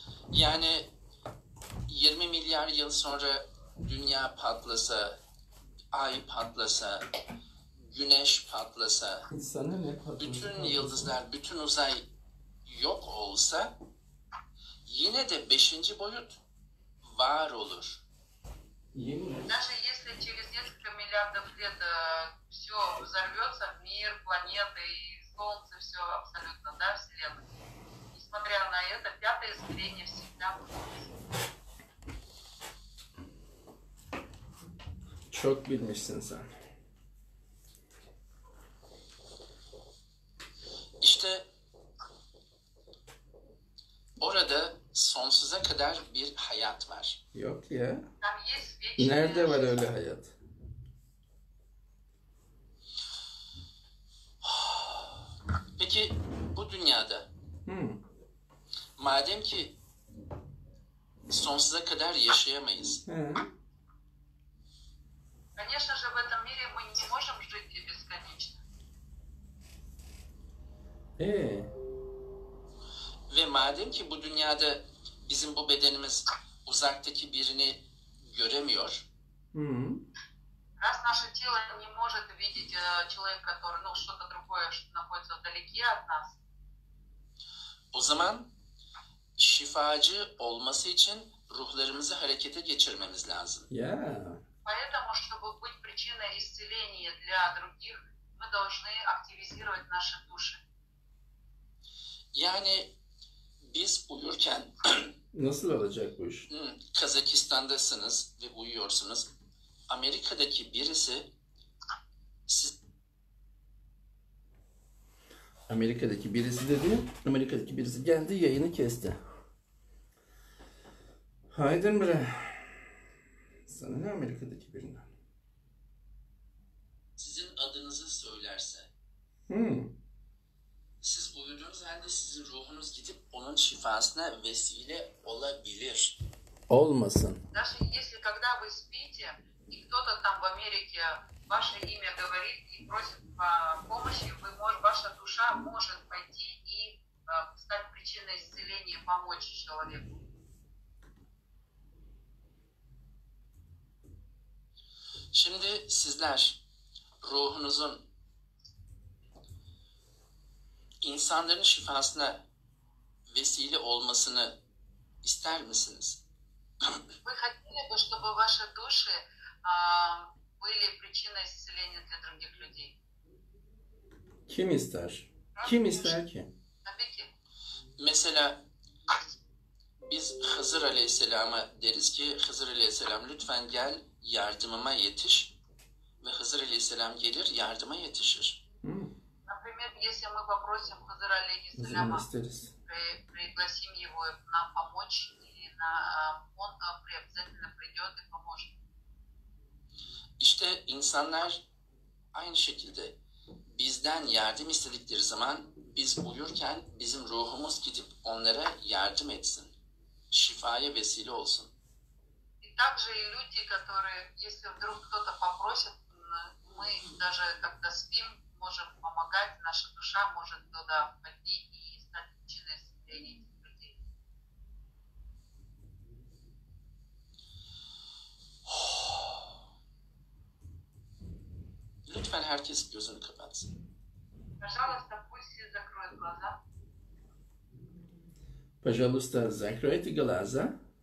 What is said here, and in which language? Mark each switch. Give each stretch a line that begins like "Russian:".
Turkish: Yani 20 milyar yıl sonra dünya patlasa, ay patlasa, güneş patlasa, bütün yıldızlar, bütün uzay yok olsa yine de 5. boyut var olur.
Russian: Даже если через несколько миллиардов лет все взорвется, мир, планеты и солнце, все абсолютно, да, вселенная. Несмотря на это, пятое измерение всегда будет.
Turkish: Çok bilmişsin sen. İşte orada sonsuza kadar bir hayat var. Yok ya. Nerede var öyle hayat? Peki bu dünyada madem ki sonsuza kadar yaşayamayız.
Russian: Конечно же в этом мире мы не можем жить бесконечно.
Turkish: Ve madem ki bu dünyada bizim bu bedenimiz uzaktaki birini göremiyor.
Russian: Раз наше тело не может видеть человека, который, ну, что-то другое, что находится вдалеке от нас.
Turkish: O zaman şifacı olması için ruhlarımızı harekete geçirmemiz lazım. Yeah.
Russian: Поэтому, чтобы быть причиной исцеления для других, мы должны активизировать наши души.
Turkish: Yani biz uyurken nasıl olacak bu iş? Kazakistan'dasınız ve uyuyorsunuz. Amerika'daki birisi Amerika'daki birisi dedi. Amerika'daki birisi geldi, yayını kesti. Haydın bre. Sana ne Amerika'daki birinden? Sizin adınızı söylerse. Siz uyuduğunuz halde sizin ruhunuz gidip onun şifasına vesile olabilir. Olmasın.
Russian: Даже если когда вы спите, и кто-то там в Америке ваше имя говорит и просит помощи, ваша душа может пойти и стать причиной исцеления, помочь человеку.
Turkish: Şimdi sizler ruhunuzun insanların şifasına vesile olmasını ister misiniz?
Russian: Вы хотели бы, чтобы ваши души были причиной исцеления для других людей?
Turkish: Kim ister? Kim ister ki? Tabii ki. Mesela biz Hızır Aleyhisselam'a deriz ki Hızır Aleyhisselam lütfen gel yardımıma yetiş ve Hızır Aleyhisselam gelir yardıma yetişir.
Russian: Например, если мы попросим Хызыр Алейхиссаляма, пригласим его нам помочь, он обязательно придет и поможет.
Turkish: İşte insanlar aynı şekilde bizden yardım istedikleri zaman biz uyurken bizim ruhumuz gidip onlara yardım etsin. Şifaya vesile olsun.
Russian: И также и люди, которые, если вдруг кто-то попросит, мы даже когда спим, можем помогать, наша душа может туда пойти и стать причиной исцеления этих людей.
Turkish: Lütfen herkes gözünü kapatsın.
Russian: Пожалуйста, пусть все закроют глаза. Пожалуйста, закройте глаза.